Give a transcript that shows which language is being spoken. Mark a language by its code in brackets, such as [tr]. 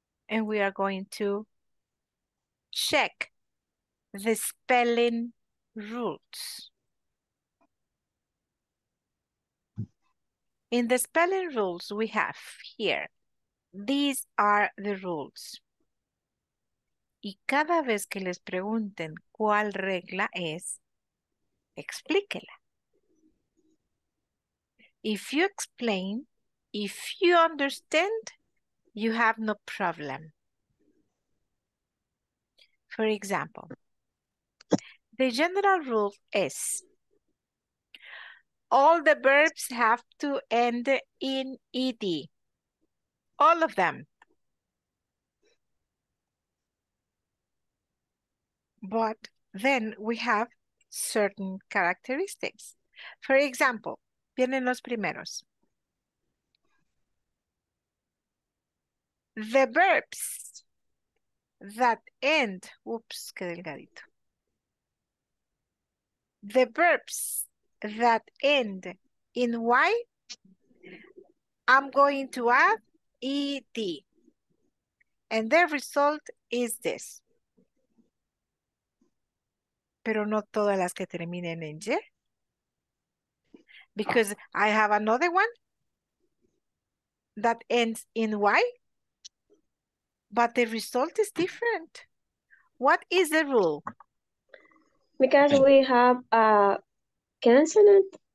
[en] Eh, and we are going to check the spelling rules. In the spelling rules we have here, these are the rules. [es] Y cada vez que les pregunten cuál regla es, explíquela. [en] If you explain, if you understand, you have no problem. For example, the general rule is all the verbs have to end in ed. All of them. But then we have certain characteristics. [es] For example, vienen los primeros. [en] The verbs that end, oops, qué delgadito. The verbs that end in Y, I'm going to add ED. And the result is this. [es] Pero no todas las que terminen en Y. [en] Because I have another one that ends in Y, but the result is different. What is the rule? Because we have a consonant.